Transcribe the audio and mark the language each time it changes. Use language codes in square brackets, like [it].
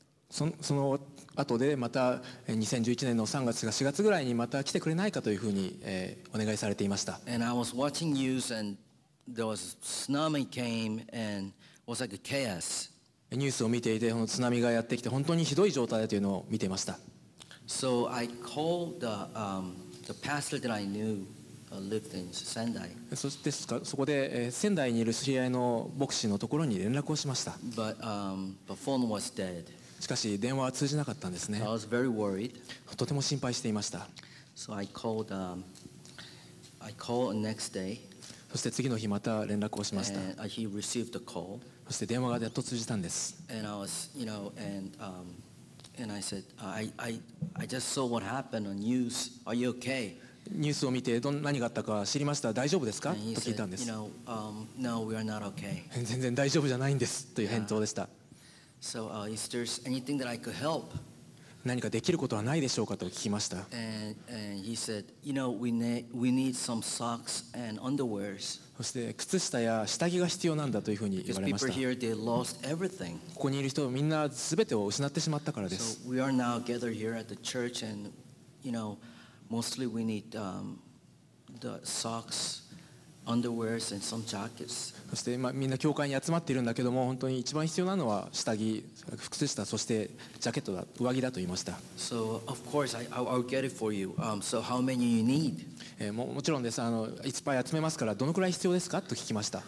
[ja] その後でまた2011年の3月か4月ぐらいにまた来てくれないかというふうに、お願いされていました。 [en] And I was watching news and there was tsunami came and was like a chaos. [ja] ニュースを見ていて、この津波がやってきて本当にひどい状態だというのを見ていました。 [en] So I called the pastor that I knew lived in Sendai. [ja] そしてそこで、仙台にいる知り合いの牧師のところに連絡をしました。 [en] But the phone was dead. [ja] しかし電話は通じなかったんですね。 [en] I was very worried. [ja] とても心配していました。 [en] So I called, I called next day. [ja] そして次の日また連絡をしました。 [en] And he received the call. [ja] そして電話がやっと通じたんです。 [en] And I was, you know, and I said, I just saw what happened on news. Are you okay? [ja] ニュースを見て何があったか知りました。大丈夫ですか？と聞いたんです。 [en] And he said, you know, no, we are not okay. [ja] 全然大丈夫じゃないんですという返答でした。 [en] Yeah. So, is there anything that I could help? [ja] 何かできることはないでしょうかと聞きました。 [en] And he said, you know, we need some socks and underwears. [ja] そして靴下や下着が必要なんだというふうに言われました。 [en] Because people here, they lost everything. [ja] ここにいる人みんな全てを失ってしまったからです。 [en] So we are now gathered here at the church, and you know, mostly we need the socks. Underwears and some jackets. [ja] そして今みんな教会に集まっているんだけども本当に一番必要なのは下着、服装、そしてジャケットだ、上着だと言いました。 [en] So of course I'll get it for you. So how many you need? [ja] もちろんです。いっぱい集めますからどのくらい必要ですかと聞きました。